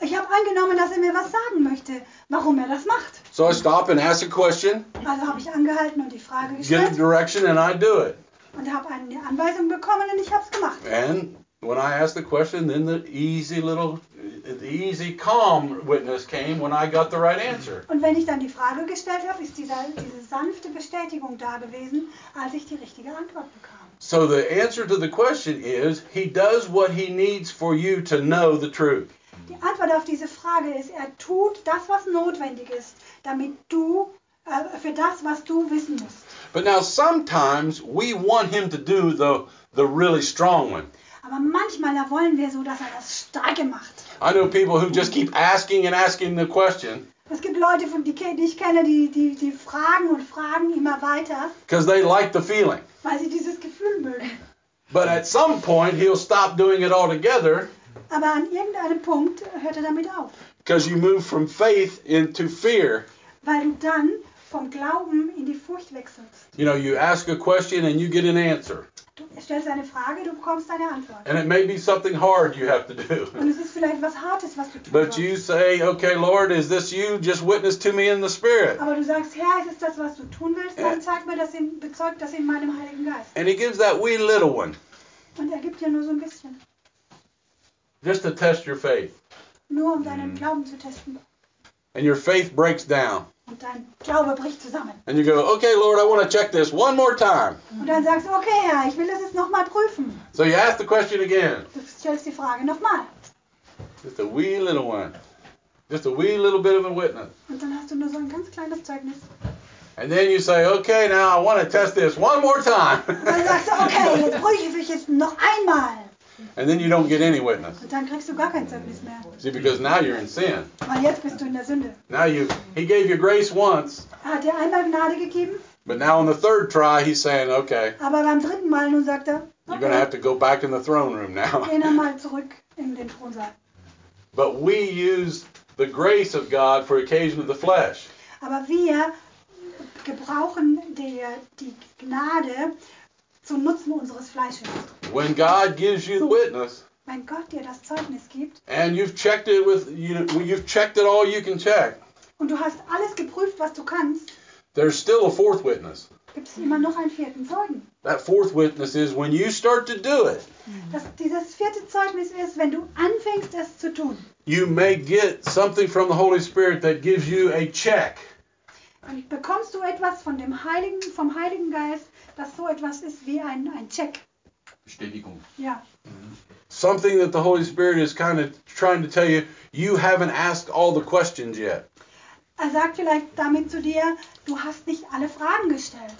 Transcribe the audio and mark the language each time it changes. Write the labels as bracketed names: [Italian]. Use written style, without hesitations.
[German] Ich habe angenommen, dass er mir was sagen möchte, warum er das macht. [English] So I stop and ask a question. [German] Also habe ich angehalten und die Frage gestellt. [English] Give a direction and I do it. [German] Und habe eine Anweisung bekommen und ich habe es gemacht. [English] And when I asked the question, then the easy calm witness came when I got the right answer. [German] Und wenn ich dann die Frage gestellt habe, ist diese sanfte Bestätigung da gewesen, als ich die richtige Antwort bekam. [English] So the answer to the question is, he does what he needs for you to know the truth. [German] Die Antwort auf diese Frage ist, er tut das, was notwendig ist, damit du für das, was du wissen musst. [English] But now sometimes we want him to do the really strong one. [German] Aber manchmal da wollen wir so, dass er das Starke macht. [English] I know people who just keep asking and asking the question. [German] Es gibt Leute, die ich kenne, die fragen und fragen immer weiter. [English] Because they like the feeling. [German] Weil sie dieses Gefühl mögen. [English] But at some point he'll stop doing it altogether. [German] Aber an irgendeinem Punkt hört er damit auf. [English] Because you move from faith into fear. [German] Weil du dann vom Glauben in die Furcht wechselst. [English] You know, you ask a question and you get an answer. [German] Du stellst eine Frage, du bekommst eine Antwort. [English] And it may be something hard you have to do. [German] Und es ist vielleicht was Hartes, was du tun musst. [English] But you say, okay, Lord, is this you? Just witness to me in the Spirit. [German] Aber du sagst, Herr, ist es das, was du tun willst? Dann zeig mir das, bezeugt das in meinem Heiligen Geist. [English] And he gives that wee little one. [German] Und er gibt dir nur so ein bisschen. [English] Just to test your faith. [German] Nur um deinen Glauben zu testen. [English] And your faith breaks down. [German] Und dein Glaube bricht zusammen. [English] And you go, okay, Lord, I want to check this one more time. [German] Und dann sagst du, okay, Herr, ich will das jetzt nochmal prüfen. [English] So you ask the question again. [German] Du stellst die Frage nochmal. [English] Just a wee little one. Just a wee little bit of a witness. [German] Und dann hast du nur so ein ganz kleines Zeugnis. [English] And then you say, okay, now I want to test this one more time. [German] Und dann sagst du, okay, jetzt prüfe ich es noch einmal. [English] And then you don't get any witness. [German] Und dann kriegst du gar kein Zeugnis mehr. [English] See, because now you're in sin. [German] Weil jetzt bist du in der Sünde. [English] Now he gave you grace once. [German] Er hat dir einmal Gnade gegeben. [English] But now on the third try, he's saying, okay. [German] Aber beim dritten Mal nun sagt er, okay. [English] You're going to have to go back in the throne room now. [German] Geh nochmal zurück in den Thronsaal. [English] But we use the grace of God for occasion of the flesh. [German] Aber wir gebrauchen die Gnade zu Nutzen unseres Fleisches. [English] When God gives you the witness, [German] wenn Gott dir das Zeugnis gibt, [English] and you've checked it you've checked it all you can check, [German] und du hast alles geprüft, was du kannst, [English] there's still a fourth witness. [German] Gibt's immer noch einen vierten Zeugen. [English] That fourth witness is when you start to do it. [German] Dass dieses vierte Zeugnis ist, wenn du anfängst, es zu tun. [English] You may get something from the Holy Spirit that gives you a check. [German] Und bekommst du etwas von dem Heiligen, vom Heiligen Geist, das so etwas ist wie ein Check. Bestätigung. Ja. [English] Something that the Holy Spirit is kind of trying to tell you, you haven't asked all the questions yet. [German] Er sagt vielleicht damit zu dir, du hast nicht alle Fragen gestellt.